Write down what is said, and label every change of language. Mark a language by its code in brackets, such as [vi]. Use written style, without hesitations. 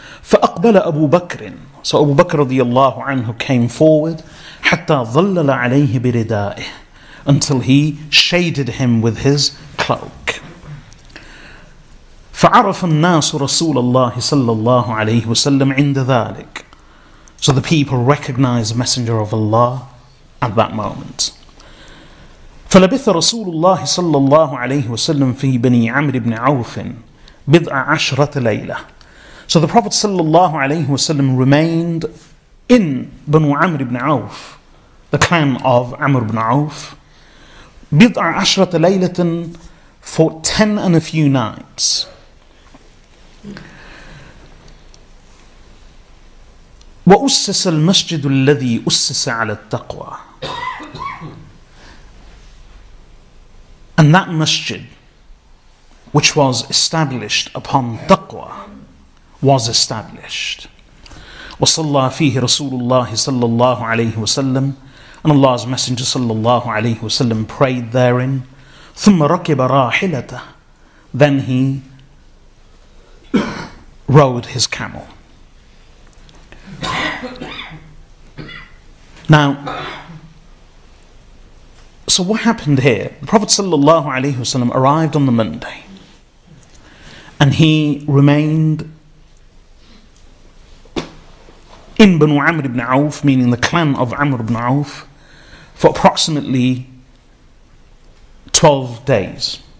[ar] فَأَقْبَلَ أَبُو بَكْرٍ, [en] so Abu Bakr radiallahu anhu came forward, [ar] حَتَّى ظَلَّلَ عَلَيْهِ بِرِدَائِهِ, [en] until he shaded him with his cloak. [ar] فَعَرَفَ النَّاسُ رَسُولَ اللَّهِ صَلَّى اللَّهُ عَلَيْهِ وَسَلَّمُ عِنْدَ ذَلِكَ, [en] so the people recognized the Messenger of Allah at that moment. [ar] فَلَبِثَ رَسُولُ اللَّهِ صَلَّى اللَّهُ عَلَيْهِ وَسَلَّمُ فِي بَنِي عَمْرِ بْنِ عَوْفٍ بِضْعَ عَشْرَةَ لَيْلَةٍ, [en] so the Prophet صلى الله عليه وسلم remained in Banu Amr ibn Auf, the clan of Amr ibn Auf, [ar] بِضْعَ عَشْرَةَ لَيْلَةٍ, [en] for 10 and a few nights. [ar] وَأُسَّسَ الْمَسْجِدُ الَّذِي أُسَّسَ عَلَى التَّقْوَى, [en] and that masjid, which was established upon taqwa, was established. [ar] وَصَلَّى فِيهِ رَسُولُ اللَّهِ صَلَّى اللَّهُ عَلَيْهِ وَسَلَّمْ, [en] and Allah's Messenger صَلَّى اللَّهُ عَلَيْهِ وَسَلَّمْ prayed therein. [ar] ثُمَّ رَكِبَ رَاحِلَتَهُ, [en] then he rode his camel. Now, so what happened here? The Prophet sallallahu alaihi wasallam arrived on the Monday, and he remained in Banu Amr ibn Auf, meaning the clan of Amr ibn Auf, for approximately 12 days.